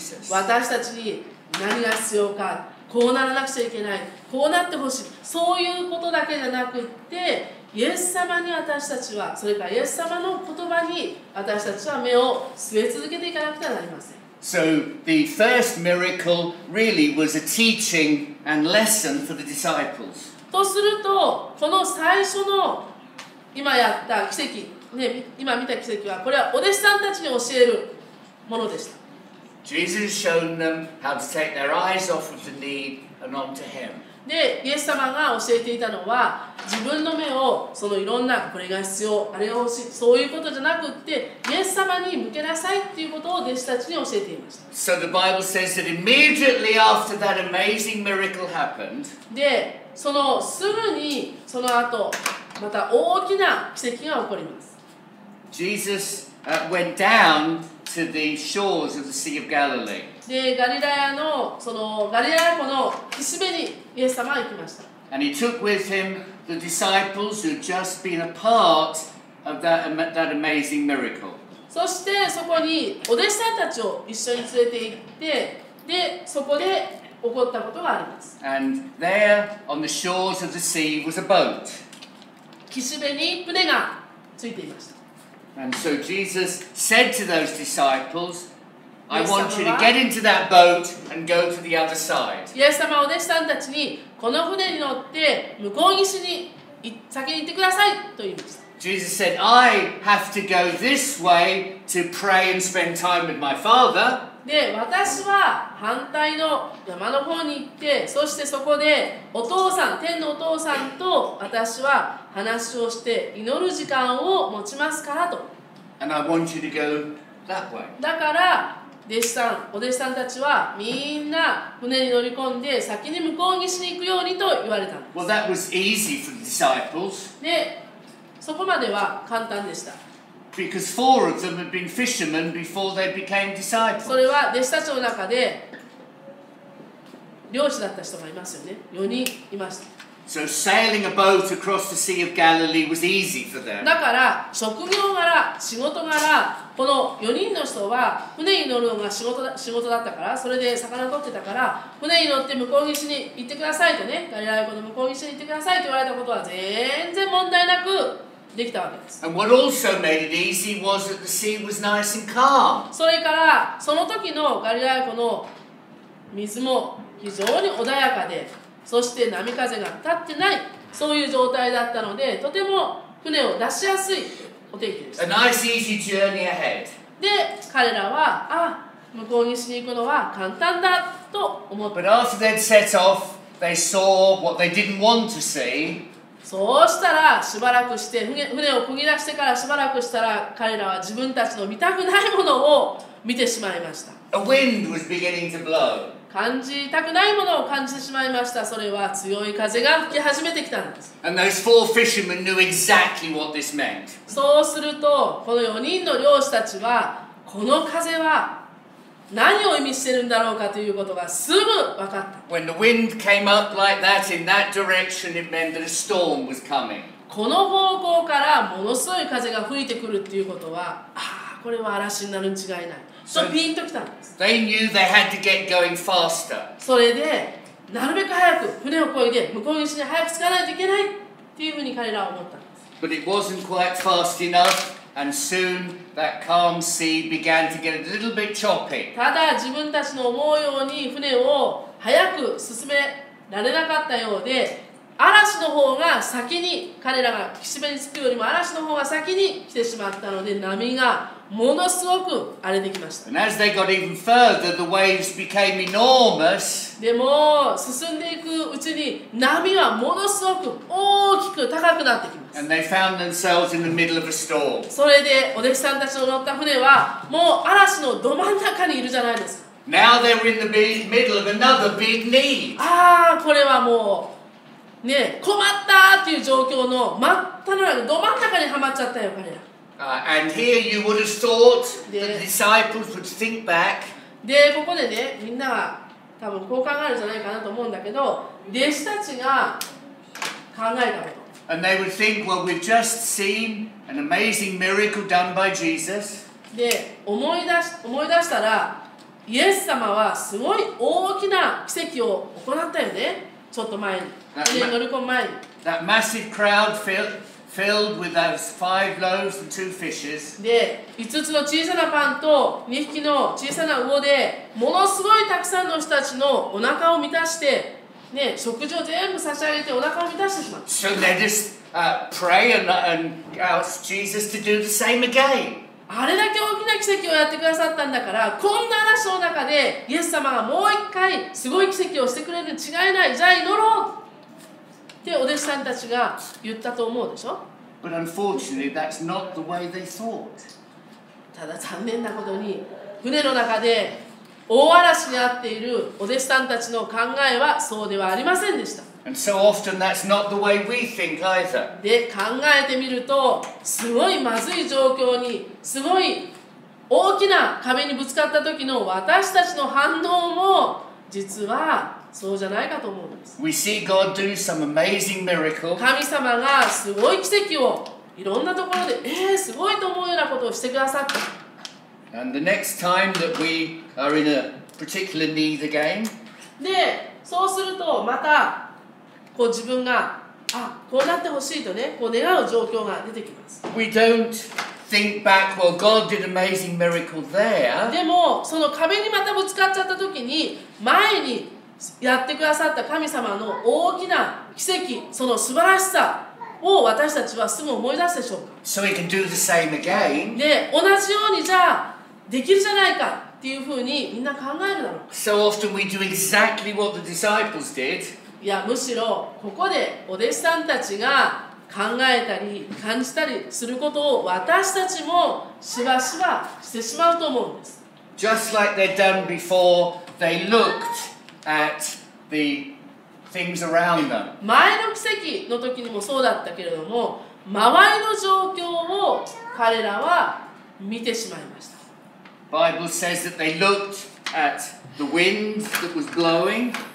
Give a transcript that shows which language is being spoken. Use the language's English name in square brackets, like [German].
[Japanese] 私たちに何が必要か、こうならなくちゃいけない、こうなってほしい、そういうことだけじゃなくって、イエス様に私たちは、それからイエス様の言葉に私たちは目を据え続けていかなくてはなりません。 [English] So the first miracle really was a teaching and lesson for the disciples. [Japanese] とすると、この最初の今やった奇跡、ね、今見た奇跡は、これはお弟子さんたちに教えるものでした。 [English] Jesus has shown them how to take their eyes off of the need and onto Him. [Japanese] で、イエス様が教えていたのは、自分の目をそのいろんなこれが必要、あれが欲しい、そういうことじゃなくって、イエス様に向けなさいっていうことを弟子たちに教えていました。 [English] So the Bible says that immediately after that amazing miracle happened, [Japanese] で、そのすぐにその後、また大きな奇跡が起こります。 [English] Jesus went down to the shores of the Sea of Galilee. [Japanese] で、ガリラヤの、そのガリラヤ湖の岸辺にイエス様は行きました。 [English] And he took with him the disciples who had just been a part of that amazing miracle. [Japanese] そしてそこにお弟子さんたちを一緒に連れて行って、で、そこで起こったことがあります。 [English] And there on the shores of the sea was a boat. [Japanese] 岸辺に船がついていました。 [English] And so Jesus said to those disciples, I want you to get into that boat and go to the other side. [Japanese] イエス様はお弟子さんたちにこの船に乗って向こう岸に先に行ってくださいと言いました。 [English] Jesus said, I have to go this way to pray and spend time with my father. [Japanese] で、私は反対の山の方に行って、そしてそこでお父さん、天のお父さんと私は話をして祈る時間を持ちますからと。 [English] And I want you to go that way. [Japanese] だから、弟子さん、お弟子さんたちはみんな船に乗り込んで先に向こう岸に行くようにと言われたんです。 [English] Well, that was easy for the disciples. [Japanese] で、そこまでは簡単でした。 [English] Because four of them had been fishermen before they became disciples. [Japanese] それは弟子たちの中で漁師だった人がいますよね。 4人いました。 [English] So sailing a boat across the Sea of Galilee was easy for them. [Japanese] だから職業柄、仕事柄、この4人の人は船に乗るのが仕事だったから、それで魚を取ってたから、船に乗って向こう岸に行ってくださいとね、ガリラヤ湖の向こう岸に行ってくださいと言われたことは全然問題なくできたわけです。 [English] And what also made it easy was that the sea was nice and calm. [Japanese] それからその時のガリラヤ湖の水も非常に穏やかで、そして波風が立ってない、そういう状態だったので、とても船を出しやすいお天気でした。 [English] A nice easy journey ahead. [Japanese] で、彼らは、あ、向こうにしに行くのは簡単だと思った。 [English] But after they'd set off, they saw what they didn't want to see. [Japanese] そうしたら、しばらくして 船を漕ぎ出してからしばらくしたら、彼らは自分たちの見たくないものを見てしまいました。 [English] A wind was beginning to blow. [Japanese] 感じたくないものを感じてしまいました。それは強い風が吹き始めてきたんです。 [English] And those four fishermen knew exactly what this meant. [Japanese] そうすると、この4人の漁師たちは、この風は何を意味してるんだろうかということがすぐ分かった。 [English] When the wind came up like that in that direction, it meant that a storm was coming. [Japanese] この方向からものすごい風が吹いてくるということは、これは嵐になるに違いない。 So, ピンときたんです。 [English] They knew they had to get going faster. [Japanese] それで、なるべく早く船を漕いで向こう岸に早く着かないといけないっていうふうに彼らは思ったんです。 [English] But it wasn't quite fast enough, and soon that calm sea began to get a little bit choppy. [Japanese] ただ自分たちの思うように船を早く進められなかったようで、嵐の方が先に、彼らが岸辺に着くよりも嵐の方が先に来てしまったので、波がものすごく荒れてきました。 [English] And as they got even further, the waves became enormous. [Japanese] でも進んでいくうちに波はものすごく大きく高くなってきます。 [English] And they found themselves in the middle of a storm. [Japanese] それでお弟子さんたちの乗った船はもう嵐のど真ん中にいるじゃないですか。 [English] Now they were in the middle of another big need. [Japanese] ああ、これはもうね、困ったっていう状況の真っ只中、ど真ん中にはまっちゃったよ、彼ら。 [English] And here you would have thought the disciples would think back. [Japanese] で、ここでね、みんなは多分こう考えるんじゃないかなと思うんだけど、弟子たちが考えたこと。 [English] And they would think, well, we've just seen an amazing miracle done by Jesus. [Japanese] で、思い出したら、イエス様はすごい大きな奇跡を行ったよね、ちょっと前に。乗り込む前に。 [English] That massive crowd filled with those five loaves and two fishes. [Japanese] で、5つの小さなパンと2匹の小さな魚で、ものすごいたくさんの人たちのお腹を満たして、ね、食事を全部差し上げてお腹を満たしてしまった。 [English] So they just pray and ask Jesus to do the same again. [Japanese] あれだけ大きな奇跡をやってくださったんだから、こんな嵐の中で、イエス様がもう一回すごい奇跡をしてくれるに違いない。じゃあ祈ろう。でお弟子さんたちが言ったと思うでしょ。 [English] But unfortunately, that's not the way they thought. [Japanese] ただ残念なことに船の中で大嵐にあっているお弟子さんたちの考えはそうではありませんでした。 [English] And so often that's not the way we think either. [Japanese] で考えてみるとすごいまずい状況にすごい大きな壁にぶつかった時の私たちの反応も実は。そうじゃないかと思うんです。 [English] We see God do some amazing miracle. [Japanese] 神様がすごい奇跡をいろんなところで、すごいと思うようなことをしてくださった。 [English] And the next time that we are in a particular need again. [Japanese] で、そうするとまたこう自分がこうなってほしいとね、こう願う状況が出てきます。 [English] We don't think back, well, God did amazing miracle there. [Japanese] でもその壁にまたぶつかっちゃった時に、前にやってくださった神様の大きな奇跡、その素晴らしさを私たちはすぐ思い出すでしょうか。 [English] So we can do the same again. [Japanese] で、同じようにじゃあできるじゃないかっていうふうにみんな考えるだろう。 [English] So often we do exactly what the disciples did. [Japanese] いや、むしろここでお弟子さんたちが考えたり感じたりすることを私たちもしばしばしてしまうと思うんです。 [English] Just like they'd done before, they lookedAt the things around them. [Japanese] 前の奇跡の時にもそうだったけれども、周りの状況を彼らは見てしまいました。 [English] Bible says that they looked at the wind that was blowing.